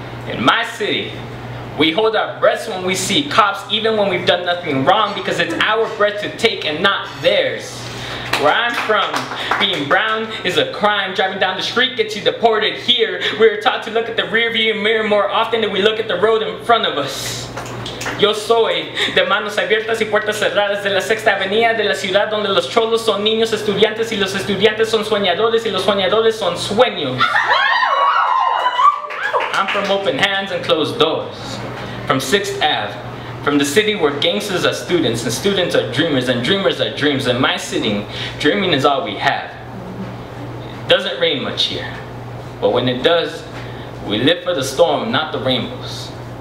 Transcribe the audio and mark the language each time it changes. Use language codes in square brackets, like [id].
[en] In my city, we hold our breaths when we see cops, even when we've done nothing wrong, because it's our breath to take and not theirs. Where I'm from, being brown is a crime. Driving down the street gets you deported here. We're taught to look at the rearview mirror more often than we look at the road in front of us. [es] Yo soy de manos abiertas y puertas cerradas, de la sexta avenida de la ciudad donde los cholos son niños estudiantes y los estudiantes son soñadores y los soñadores son sueños. [en] I'm from open hands and closed doors, from 6th Ave, from the city where gangsters are students and students are dreamers and dreamers are dreams. In my city, dreaming is all we have. It doesn't rain much here, but when it does, we live for the storm, not the rainbows.